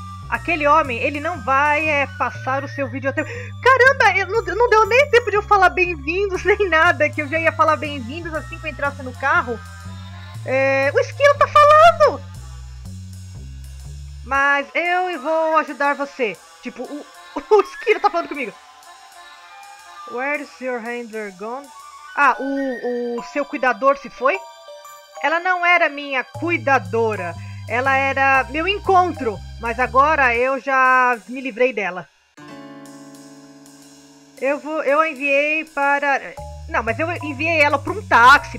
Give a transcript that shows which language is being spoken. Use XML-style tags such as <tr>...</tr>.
<pt>Aquele homem, ele não vai passar o seu vídeo até... Caramba, não deu nem tempo de eu falar bem-vindos, nem nada, que eu já ia falar bem-vindos assim que eu entrasse no carro. O Esquilo tá falando! Mas eu vou ajudar você. Tipo, o Esquilo tá falando comigo.</pt> <en>Where's your handler gone?</en> <pt>Ah, o seu cuidador se foi? Ela não era minha cuidadora. Ela era meu encontro. Mas agora eu já me livrei dela. Eu a enviei para... Não, mas eu enviei ela para um táxi.</pt>